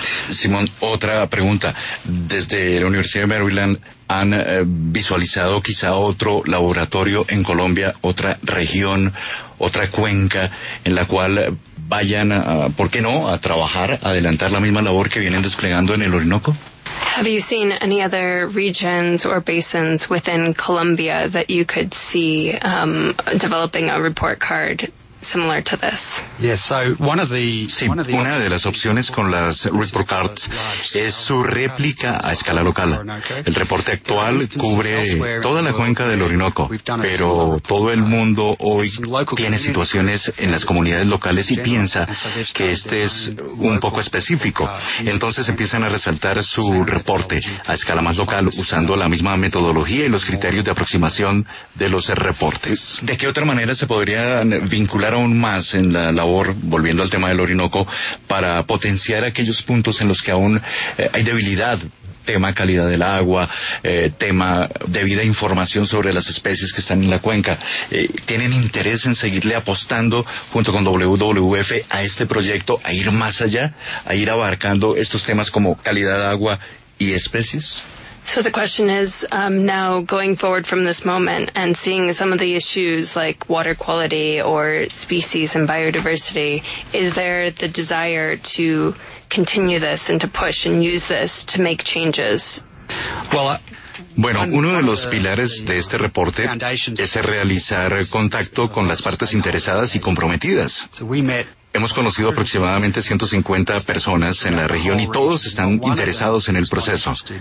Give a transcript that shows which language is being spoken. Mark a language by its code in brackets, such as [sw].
[es] Simón, otra pregunta. Desde la Universidad de Maryland, ¿han visualizado quizá otro laboratorio en Colombia, otra región, otra cuenca en la cual vayan, ¿por qué no?, a trabajar, a adelantar la misma labor que vienen desplegando en el Orinoco? [en] Have you seen any other regions or basins within Colombia that you could see developing a report card similar to this? Yes, so one of the... [es] Sí, una de las opciones con las report cards es su réplica a escala local. El reporte actual cubre toda la cuenca del Orinoco, pero todo el mundo hoy tiene situaciones en las comunidades locales y piensa que este es un poco específico. Entonces empiezan a resaltar su reporte a escala más local usando la misma metodología y los criterios de aproximación de los reportes. ¿De qué otra manera se podrían vincular aún más en la labor, volviendo al tema del Orinoco, para potenciar aquellos puntos en los que aún hay debilidad? Tema calidad del agua, tema debida información sobre las especies que están en la cuenca. ¿Tienen interés en seguirle apostando junto con WWF a este proyecto, a ir más allá, a ir abarcando estos temas como calidad de agua y especies? [en] So the question is, now going forward from this moment and seeing some of the issues like water quality or species and biodiversity, is there the desire to continue this and to push and use this to make changes? Well, [es] Bueno, uno de los pilares de este reporte es realizar contacto con las partes interesadas y comprometidas. Hemos conocido aproximadamente 150 personas en la región y todos están interesados en el proceso.